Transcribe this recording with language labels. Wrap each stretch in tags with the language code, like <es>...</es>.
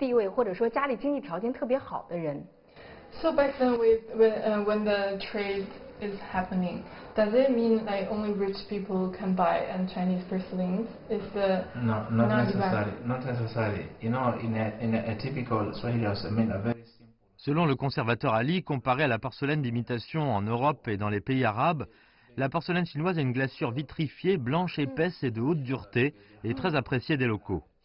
<zh>那我能不能猜测一下，是不是说在那个时候能买得起中国瓷器的人，应该是特别有社会地位，或者说家里经济条件特别好的人</zh> <en>？So back then, when the trade is happening, does it mean like only rich people can buy and Chinese porcelain? Is the not necessarily. You know, in a typical Swahili house, I mean a very simple.</en> <fr>Selon le conservateur Ali, comparé à la porcelaine d'imitation en Europe et dans les pays arabes. La porcelaine chinoise a une glaçure vitrifiée, blanche, épaisse et de haute dureté, et très appréciée des locaux.</fr>